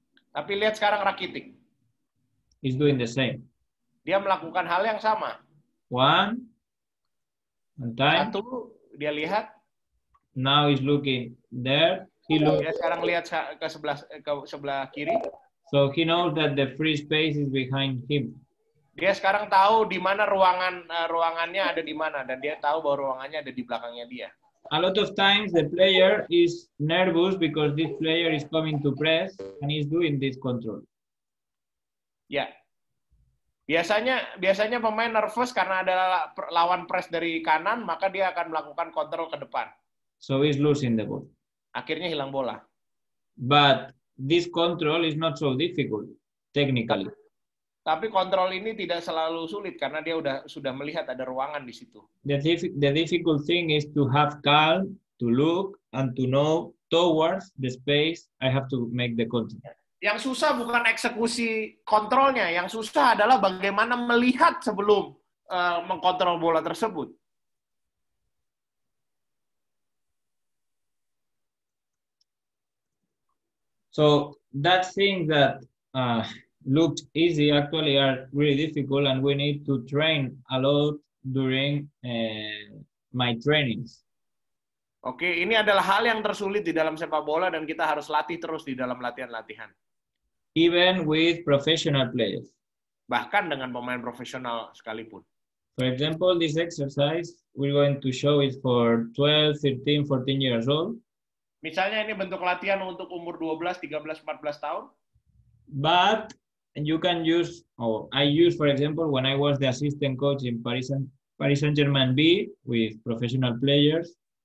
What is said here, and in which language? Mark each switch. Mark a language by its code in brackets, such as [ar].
[id] Tapi lihat sekarang Rakitic. [en] He's doing the same. [id] Dia melakukan hal yang sama. [en] One. And time. [id] Satu dia lihat. [en] Now he's looking there. He looks. [id] Dia sekarang lihat ke sebelah kiri. [en] So he knows that the free space is behind him. [id] Dia sekarang tahu di mana ruangannya ada di mana, dan dia tahu bahwa ruangannya ada di belakangnya dia. [en] A lot of times the player is nervous because this player is coming to press and he's doing this control. [id] Ya. Biasanya pemain nervous karena ada lawan press dari kanan, maka dia akan melakukan kontrol ke depan. [en] So he's losing the ball. [id] Akhirnya hilang bola. [en] But this control is not so difficult technically. [id] Tapi kontrol ini tidak selalu sulit karena dia sudah melihat ada ruangan di situ. [en] The difficult thing is to have calm, to look, and to know towards the space I have to make the control. [id] Yang susah bukan eksekusi kontrolnya, yang susah adalah bagaimana melihat sebelum mengkontrol bola tersebut. [en] So that thing that looked easy actually are really difficult, and we need to train a lot during my trainings. [id] Okay, ini adalah hal yang tersulit di dalam sepak bola, dan kita harus latih terus di dalam latihan-latihan. [en] Even with professional players. [id] Bahkan dengan pemain profesional sekalipun. [en] For example, this exercise we're going to show is for 12, 13, 14 years old. [id] Misalnya ini bentuk latihan untuk umur 12, 13, 14 tahun. [en] But you can use, or I use, for example, when I was the assistant coach in Paris Saint-Germain B with professional players.